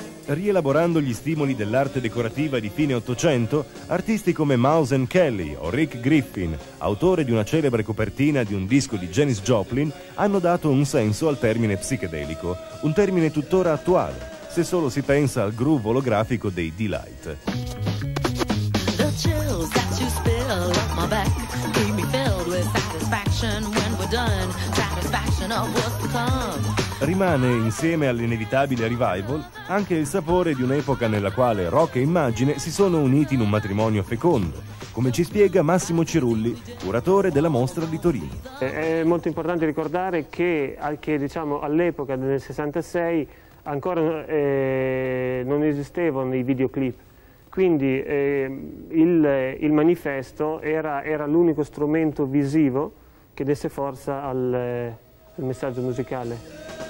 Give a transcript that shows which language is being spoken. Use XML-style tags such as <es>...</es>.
<it>Rielaborando gli stimoli dell'arte decorativa di fine Ottocento, artisti come Mouse and Kelly o Rick Griffin, autore di una celebre copertina di un disco di Janis Joplin, hanno dato un senso al termine psichedelico, un termine tuttora attuale, se solo si pensa al groove olografico dei D-Light.</it> <en>The chills that you spill up my back keep me filled with satisfaction when we're done, satisfaction of what's to come.</en> <it>Rimane, insieme all'inevitabile revival, anche il sapore di un'epoca nella quale rock e immagine si sono uniti in un matrimonio fecondo, come ci spiega Massimo Cirulli, curatore della mostra di Torino. È molto importante ricordare che anche, diciamo, all'epoca del 66 ancora non esistevano i videoclip, quindi il manifesto era l'unico strumento visivo che desse forza al messaggio musicale.</it>